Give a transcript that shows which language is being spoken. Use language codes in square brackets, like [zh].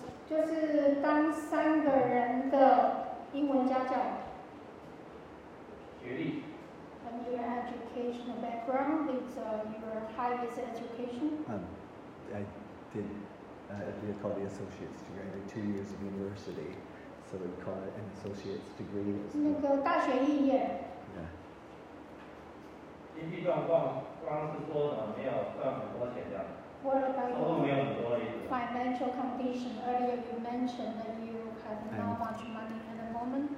[zh] 就是当三个人的英文家教。学历。 [en] And your educational background is your highest education. I did a called the associate's degree. I did 2 years of university, so they call it an associate's degree. [zh] 那个大学毕业。 [en] Yeah. [zh] 经济状况，光是说的没有赚很多钱的。 [en] What about your financial condition? Earlier you mentioned that you have not much money at the moment.